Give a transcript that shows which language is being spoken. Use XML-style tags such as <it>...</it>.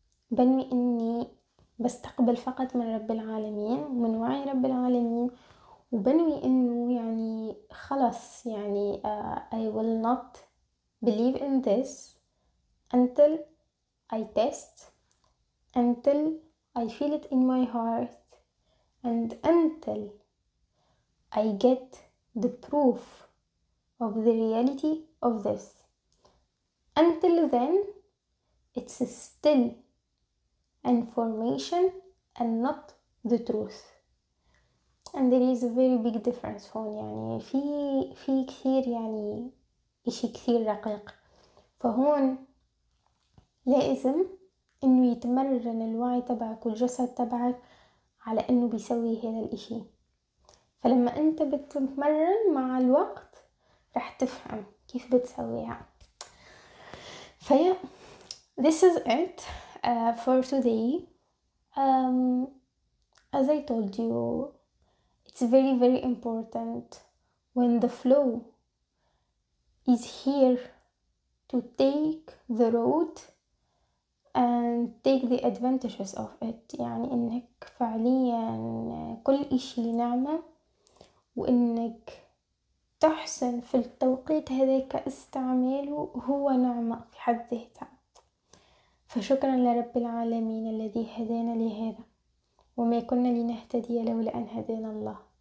<ar>بنوي اني بستقبل فقط من رب العالمين ومن وعي رب العالمين، وبنوي انه يعني خلص يعني</ar> <en>I will not believe in this until I test, until I feel it in my heart, and until I get the proof of the reality of this. Until then it's still information and not the truth. And there is a very big difference</en> <ar>هون، يعني في كثير يعني اشي كثير رقيق. فهون لازم انه يتمرن الوعي تبعك والجسد تبعك على انه بيسوي هذا الاشي. فلما انت بتتمرن مع الوقت رح تفهم كيف بتسويها.</ar> <en>فيا this is it for today. As I told you, it's very very important when the flow is here to take the road and take the advantages of it.</en> <ar>يعني انك فعليا كل اشي نعمة وانك تحسن في التوقيت هذاك استعماله هو نعمة في حد ذاتها. فشكرا لرب العالمين الذي هدانا لهذا وما كنا لنهتدي لولا أن هدانا الله.</ar>